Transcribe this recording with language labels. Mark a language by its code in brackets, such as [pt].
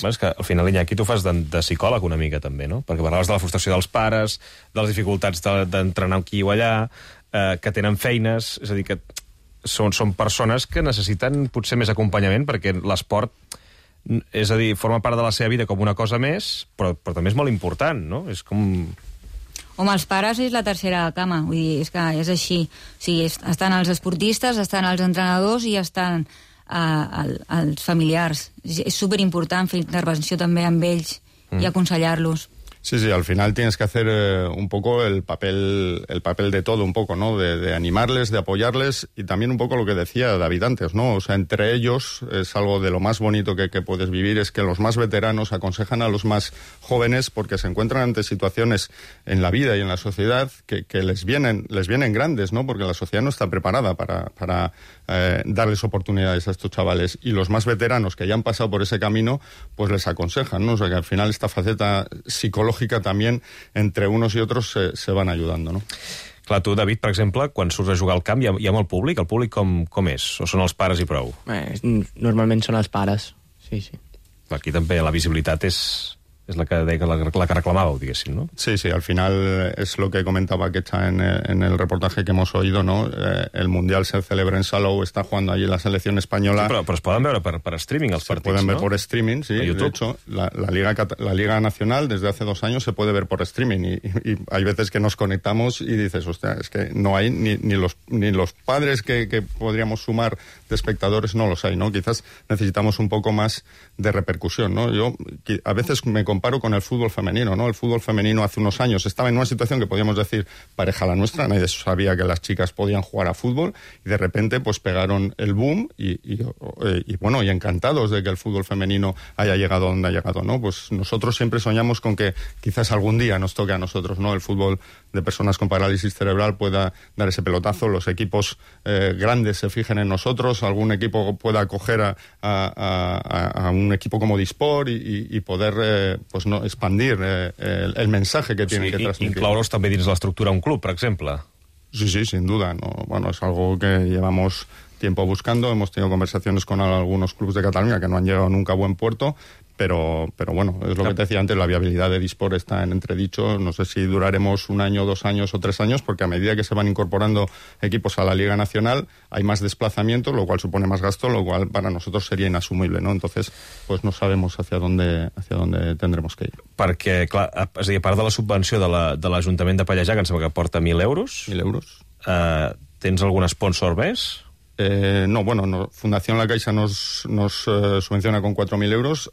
[ca] Bé, és que al final, Iñaki, tu fas de psicòleg una mica també, no? Perquè parlaves de la frustració dels pares, de les dificultats d'entrenar aquí o allà, que tenen feines, és a dir, que són persones que necessiten potser més acompanyament, perquè l'esport, és a dir, forma part de la seva vida com una cosa més, però també és molt important, no? És com... o amb els pares és la tercera cama. Vull dir, és que és així. O sigui, estan els esportistes, estan els entrenadors i estan els familiars. És superimportant fer intervenció també amb ells i aconsellar-los. [es] Sí, sí, al final tienes que hacer un poco el papel de todo, un poco, ¿no? De animarles, de apoyarles y también un poco lo que decía David antes, ¿no? O sea, entre ellos es algo de lo más bonito que puedes vivir, es que los más veteranos aconsejan a los más jóvenes porque se encuentran ante situaciones en la vida y en la sociedad que les vienen grandes, ¿no? Porque la sociedad no está preparada para darles oportunidades a estos chavales. Y los más veteranos que ya han pasado por ese camino, pues les aconsejan, ¿no? O sea, que al final esta faceta [ca] psicològica també entre uns i altres se van ajudant, [es] no? [ca] Clar, tu, David, per exemple, quan surts a jugar al camp, hi ha molt públic? El públic com és? O són els pares i prou? Normalment són els pares, sí, sí. Aquí també la visibilitat és la que deia, la que reclamàveu, diguéssim, no? Sí, sí, al final és el que comentava que està en el reportatge que [es] hemos oído, [ca] ¿no? [es] El Mundial se celebra en Salou, està jugando allí la selección española. [ca] Sí, però es poden veure per streaming els partits, no? Se poden veure per streaming, sí. [es] De hecho, la Liga Nacional desde hace 2 años se puede ver por streaming y hay veces que nos conectamos y dices, hostia, es que no hay ni los padres que podríamos sumar de espectadores, no los hay, ¿no? Quizás necesitamos un poco más de repercusión, ¿no? Yo a veces me comparo con el fútbol femenino, ¿no? El fútbol femenino hace unos años estaba en una situación que podíamos decir pareja a la nuestra, nadie sabía que las chicas podían jugar a fútbol y de repente pues pegaron el boom y bueno, y encantados de que el fútbol femenino haya llegado donde ha llegado, ¿no? Pues nosotros siempre soñamos con que quizás algún día nos toque a nosotros, ¿no? El fútbol de personas con parálisis cerebral pueda dar ese pelotazo, los equipos grandes se fijen en nosotros, algún equipo pueda acoger a un equipo como Disport y poder pues no expandir el mensaje que tienen, o sigui, que transmitir. [ca] Incloure-los també dins l'estructura un club, per exemple. [es] Sí, sí, sin duda, no. Bueno, es algo que llevamos tiempo buscando, hemos tenido conversaciones con algunos clubs de Catalunya que no han llegado nunca a buen puerto, pero bueno, es lo que te decía antes, la viabilidad de Disport está en entredicho, no sé si duraremos 1 año, 2 años o 3 años, porque a medida que se van incorporando equipos a la Liga Nacional, hay más desplazamiento, lo cual supone más gasto, lo cual para nosotros sería inasumible, ¿no? Entonces, pues no sabemos hacia dónde tendremos que ir. [ca] Perquè, clar, és a dir, a part de la subvenció de l'Ajuntament de Pallejà, que em sembla que porta 1.000 euros... 1.000 euros. Tens algun sponsor més? [es] No, Fundación La Caixa nos subvenciona con 4.000 euros.